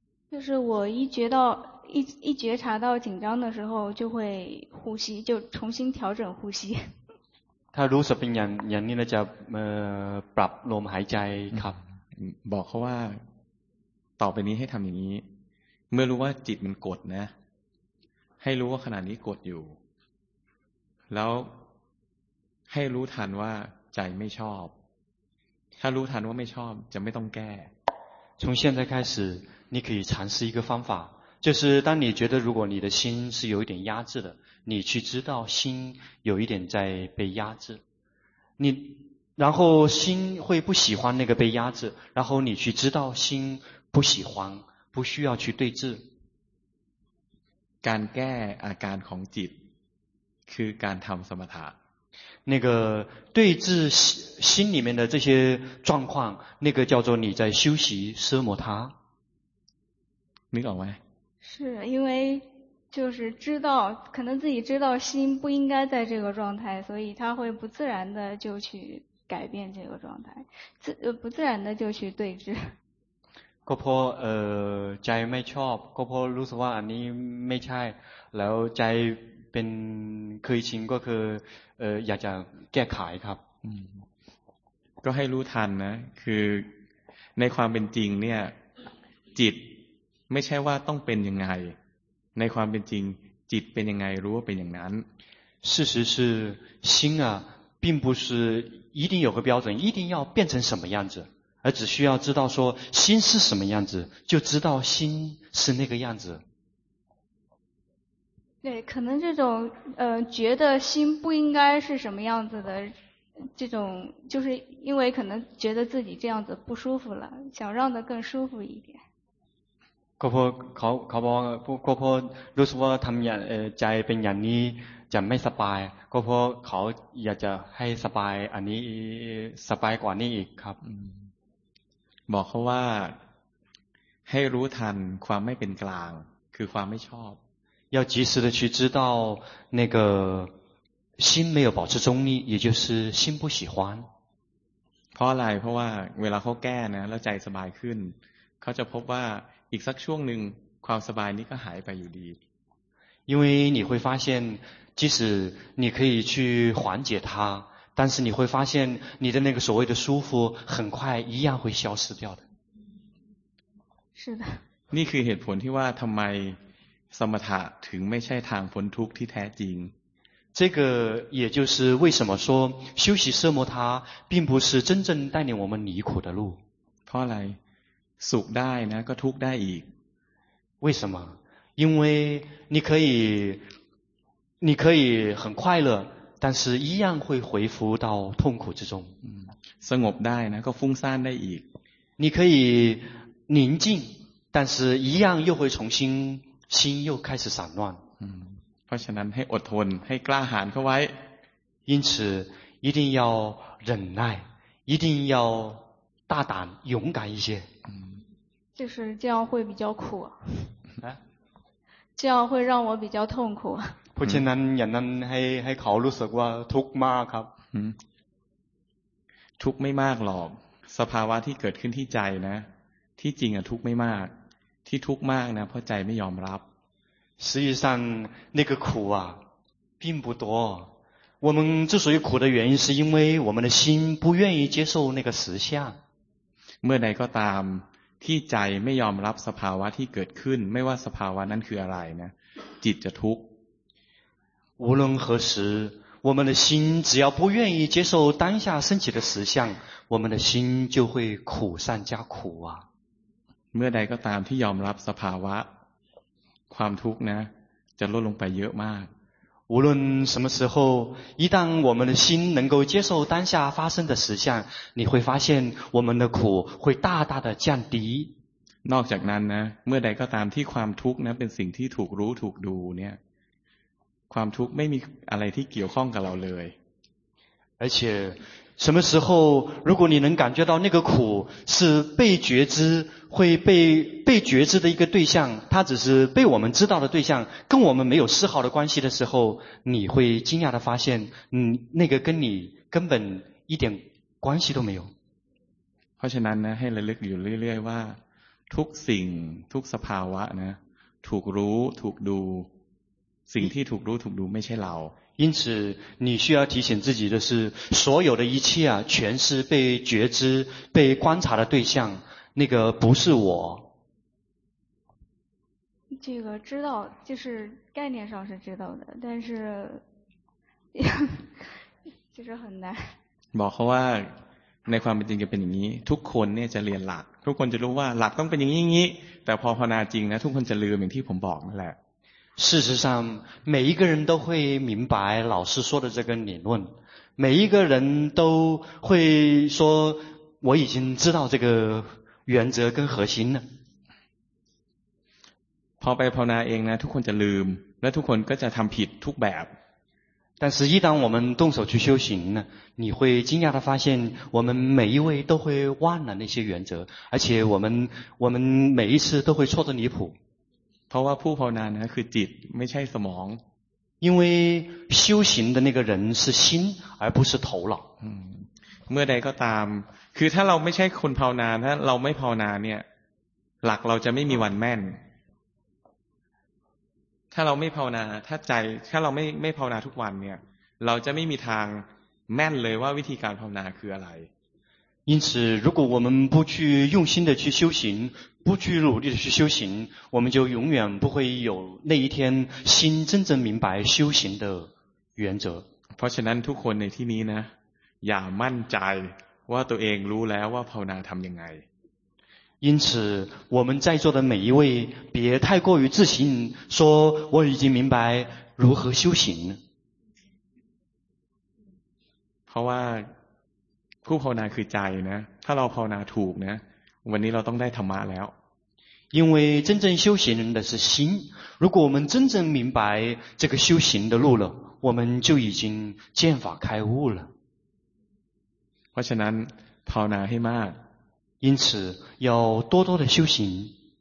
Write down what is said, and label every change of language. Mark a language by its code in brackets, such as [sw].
[zh] 就是我一觉察到紧张的时候就会呼吸就重新调整呼吸 [th] ถ้ารู้สึกเป็นอย่างนี้จะปรับลมหายใจครับ บอกเขาว่าต่อไปนี้ให้ทำอย่างนี้เมื่อรู้ว่าจิตมันกดนะให้รู้ว่าขณะนี้กดอยู่แล้วให้รู้ทันว่าใจไม่ชอบถ้ารู้ทันว่าไม่ชอบจะไม่ต้องแก้ [zh] 从现在开始你可以尝试一个方法就是当你觉得如果你的心是有一点压制的你去知道心有一点在被压制你然后心会不喜欢那个被压制然后你去知道心不喜欢不需要去对治 [th] การแก้อาการของจิตคือการทำสมถะ [zh] 那个对治心里面的这些状况，那个叫做你在修习奢摩他。你懂吗？是因为就是知道，可能自己知道心不应该在这个状态，所以他会不自然的就去改变这个状态，不自然的就去对治。 [th] ก็เพราะใจไม่ชอบก็เพราะรู้สึกว่าอันนี้ไม่ใช่แล้วใจเป็นเคยชินก็คืออยากจะแก้ไขครับ ก็ให้รู้ทันนะคือในความเป็นจริงเนี่ยจิตไม่ใช่ว่าต้องเป็นยังไงในความเป็นจริงจิตเป็นยังไงรู้ว่าเป็นอย่างนั้น [zh] 事实是心啊并不是一定有个标准，一定要变成什么样子，而只需要知道说心是什么样子，就知道心是那个样子。对，可能这种觉得心不应该是什么样子的，这种就是因为可能觉得自己这样子不舒服了，想让的更舒服一点。 [th] ก็เพราะรู้สึกว่าทำอย่างใจเป็นอย่างนี้จะไม่สบายก็เพราะเขาอยากจะให้สบายอันนี้สบายกว่านี้อีกครับ บอกเขาว่าให้รู้ทันความไม่เป็นกลางคือความไม่ชอบ [zh] 要及时的去知道那个心没有保持中立也就是心不喜欢 [th] เพราะอะไรเพราะว่าเวลาเขาแก้นะแล้วใจสบายขึ้นเขาจะพบว่าอีกสักช่วงหนึ่งความสบายนี้ก็หายไปอยู่ดี [zh] 因为你会发现即使你可以去缓解它但是你会发现你的那个所谓的舒服很快一样会消失掉的是的 [th] นี่คือเหตุผลที่ว่าทำไมสมถะถึงไม่ใช่ทางพ้นทุกข์ที่แท้จริง [zh] 这个也就是为什么说修习奢摩他并不是真正带领我们离苦的路 [th] เพราะอะไรสุขได้นะก็ทุกข์ได้อีก [zh] 为什么因为你可以很快乐但是一样会回复到痛苦之中 [th] สงบได้นะก็ฟุ้งซ่านได้อีก [zh] 你可以宁静但是一样又会重新心又开始散乱 [th] เพราะฉะนั้นให้อดทนให้กล้าหาญเข้าไว้ [zh] 因此一定要忍耐一定要大胆勇敢一些就是这样会比较苦这样会让我比较痛苦 [th] เพราะฉะนั้นอย่างนั้นให้เขารู้สึกว่าทุกข์มากครับ ทุกข์ไม่มากหรอกสภาวะที่เกิดขึ้นที่ใจนะที่จริงอ่ะทุกข์ไม่มากที่ทุกข์มากนะเพราะใจไม่ยอมรับ [zh] 实际上那个苦啊并不多我们之所以苦的原因是因为我们的心不愿意接受那个实相 [th] เมื่อใดก็ตามที่ใจไม่ยอมรับสภาวะที่เกิดขึ้นไม่ว่าสภาวะนั้นคืออะไรนะจิตจะทุกข์ [zh] 无论何时我们的心只要不愿意接受当下升起的实相我们的心就会苦上加苦啊 [th] เมื่อใดก็ตามที่ยอมรับสภาวะความทุกข์นะจะลดลงไปเยอะมาก [zh] 无论什么时候一旦我们的心能够接受当下发生的实相你会发现我们的苦会大大的降低 [th] นอกจากนั้นนะเมื่อใดก็ตามที่ความทุกข์นะเป็นสิ่งที่ถูกรู้ถูกดูเนี่ยความทุกข์ไม่มีอะไรที่เกี่ยวข้องกับเราเลย [zh] 而且什么时候如果你能感觉到那个苦是被觉知会被觉知的一个对象它只是被我们知道的对象跟我们没有丝毫的关系的时候你会惊讶的发现那个跟你根本一点关系都没有 [th] เพราะฉะนั้นนะให้ระลึกอยู่เรื่อยๆว่าทุกสิ่งทุกสภาวะนะถูกรู้ถูกดูสิ่งที่ถูกรู้ถูกดูไม่ใช่เรา [zh] 因此你需要提醒自己的是所有的一切啊全是被觉知被观察的对象那个不是我这个知道就是概念上是知道的但是就是很难 [th] บอกเขาว่าในความเป็นจริงจะเป็นอย่างนี้ทุกคนเนี่ยจะเรียนหลักทุกคนจะรู้ว่าหลักต้องเป็นอย่างนี้อย่างนี้แต่พอภาวนาจริงนะทุกคนจะลืมอย่างที่ผมบอกนั่นแหละ [zh] 事实上每一个人都会明白老师说的这个理论每一个人都会说我已经知道这个原则跟核心了 [th] พอไปภาวนาเองนะทุกคนจะลืมและทุกคนก็จะทำผิดทุกแบบ [zh] 但是一旦我们动手去修行呢你会惊讶地发现我们每一位都会忘了那些原则而且我们每一次都会错得离谱 [th] เพราะว่าผู้ภาวนานะคือจิตไม่ใช่สมอง [zh] 因为修行的那个人是心而不是头脑 [th] เมื่อใดก็ตามคือถ้าเราไม่ใช่คนภาวนาถ้าเราไม่ภาวนาเนี่ยหลักเราจะไม่มีวันแม่นถ้าเราไม่ภาวนาถ้าใจถ้าเราไม่ภาวนาทุกวันเนี่ยเราจะไม่มีทางแม่นเลยว่าวิธีการภาวนาคืออะไร [zh] 因此如果我们不去用心的去修行不去努力的去修行我们就永远不会有那一天心真正明白修行的原则 [th] เพราะฉะนั้นทุกคนในที่นี้นะอย่ามั่นใจว่าตัวเองรู้แล้วว่าภาวนาทำยังไง [zh] 因此我们在座的每一位别太过于自信说我已经明白如何修行 [th] เพราะว่าผู้ภาวนาคือใจนะถ้าเราภาวนาถูกนะวันนี้เราต้องได้ธรรมะแล้ว [zh] 因为真正修行人的是心如果我们真正明白这个修行的路了我们就已经见法开悟了 [th] เพราะฉะนั้นภาวนาให้มาก [zh] 因此要多多的修行